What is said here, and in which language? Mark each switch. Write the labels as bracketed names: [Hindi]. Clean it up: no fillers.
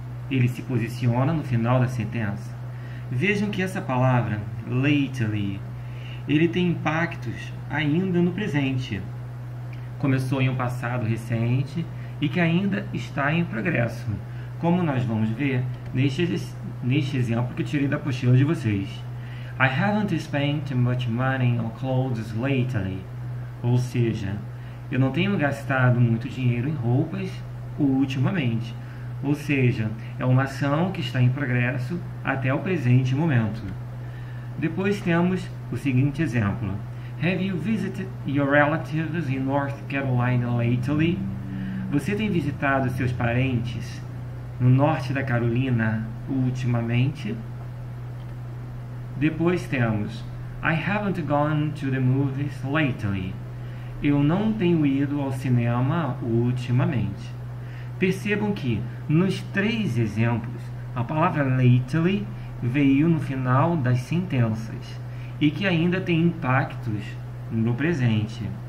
[Portuguese] Ele se posiciona no final da sentença. Vejam que essa palavra, lately, ele tem impactos ainda no presente. Começou em um passado recente e que ainda está em progresso, como nós vamos ver neste exemplo que eu tirei da apostila de vocês. [English] I haven't spent much money on clothes lately. [Portuguese] Ou seja, eu não tenho gastado muito dinheiro em roupas ultimamente. Ou seja, é uma ação que está em progresso até o presente momento. Depois temos o seguinte exemplo: [English] Have you visited your relatives in North Carolina lately? [Portuguese] Você tem visitado seus parentes no norte da Carolina ultimamente? Depois temos: [English] I haven't gone to the movies lately. [Portuguese] Eu não tenho ido ao cinema ultimamente. Percebam que nos três exemplos a palavra lately veio no final das sentenças e que ainda tem impactos no presente.